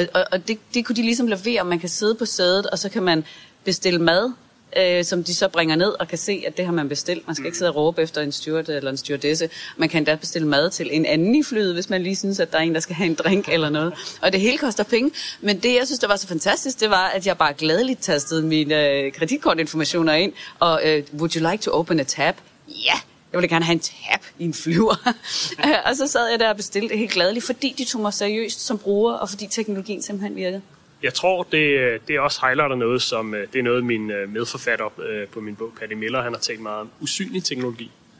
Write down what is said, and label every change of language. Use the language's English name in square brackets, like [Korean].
[Danish] Og det kunne de ligesom levere, man kan sidde på sædet, og så kan man bestille mad, som de så bringer ned og kan se, at det har man bestilt. Man skal ikke sidde og råbe efter en steward eller en stewardesse. Man kan da bestille mad til en anden i flyet, hvis man lige synes, at der er en, der skal have en drink eller noget. Og det hele koster penge. Men det, jeg synes, der var så fantastisk, det var, at jeg bare gladeligt tastede mine kreditkortinformationer ind. Og [English] would you like to open a tab? [Danish] Ja, jeg ville gerne have en tab i en flyver. Og så sad jeg der og bestilte det helt gladeligt, fordi de tog mig seriøst som bruger, og fordi teknologien simpelthen virkede. Jeg tror, det er også highlighter noget, som det er noget, min medforfatter på min bog, Patty Miller, han har talt meget om usynlig teknologi.